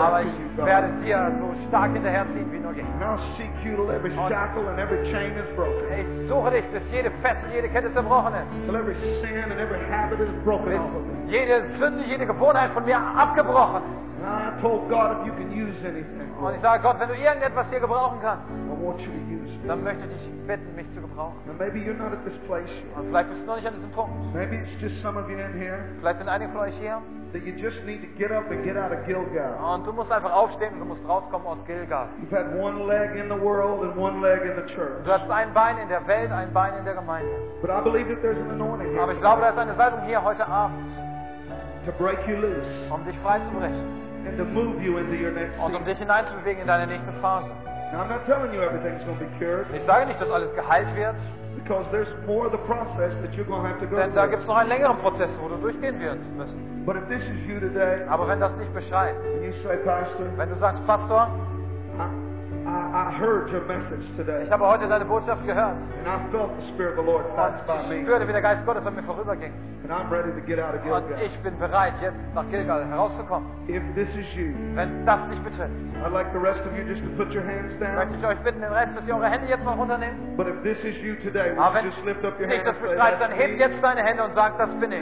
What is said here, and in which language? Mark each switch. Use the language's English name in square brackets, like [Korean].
[German] Aber ich werde dir so stark hinterherziehen, wie nur geht. [English] And I'll seek you till every shackle and every chain is broken. [German] Ich suche dich, bis jede Fessel, jede Kette zerbrochen ist. [English] Till every sin and every habit is broken off of me. [German] Jede Sünde, jede Gewohnheit von mir abgebrochen ist. [English] And I told God if you can use anything. [German] Und ich sage Gott, wenn du irgendetwas hier gebrauchen kannst, [English] I want you to use me. [German] Dann möchte ich dich bitten, mich zu gebrauchen. [English] And maybe you're not at this place. [German] Und vielleicht bist du noch nicht an diesem Punkt. [English] Maybe it's just some of you in here. [German] Vielleicht sind einige von euch hier. [English] That you just need to get up and get out of Gilgal. [German] Und du musst einfach aufstehen und du musst rauskommen aus Gilgal. [English] You've had one leg in the world and one leg in the church. [German] Du hast ein Bein in der Welt, ein Bein in der Gemeinde. [English] But I believe that there's an anointing here. [German] Aber ich glaube, da ist eine Salbung hier heute Abend. [English] To break you loose. [German] Um dich freizubrechen. [English] And to move you into your next. [German] Und um dich hineinzubewegen in deine nächste Phase. [English] Now I'm not telling you everything's going to be cured. [German] Ich sage nicht, dass alles geheilt wird. [English] Because there's more of the process that you're going to have to go through. [German] Denn da gibt's noch einen längeren Prozess, wo du durchgehen wirst müssen. [English] But if this is you today, [German] aber wenn das dich beschreibt, [English] and you say, Pastor, [German] wenn du sagst, Pastor, [English] I heard your message today. [German] Ich habe heute deine Botschaft gehört. [English] And I felt the Spirit of the Lord pass by me. [German] Ich spürte, wie der Geist Gottes an mir vorüberging. [English] And I'm ready to get out of Gilgal. [German] Und ich bin bereit, jetzt nach Gilgal herauszukommen. [English] If this is you, [German] wenn das dich betrifft, [English] I'd like the rest of you just to put your hands down. [German] Möchte ich euch bitten, den Rest, dass ihr eure Hände jetzt mal runternehmt. [English] But if this is you today, would you just lift up your hands? [German] Aber wenn dich das beschreibt, dann heb jetzt deine Hände und sag, das bin ich.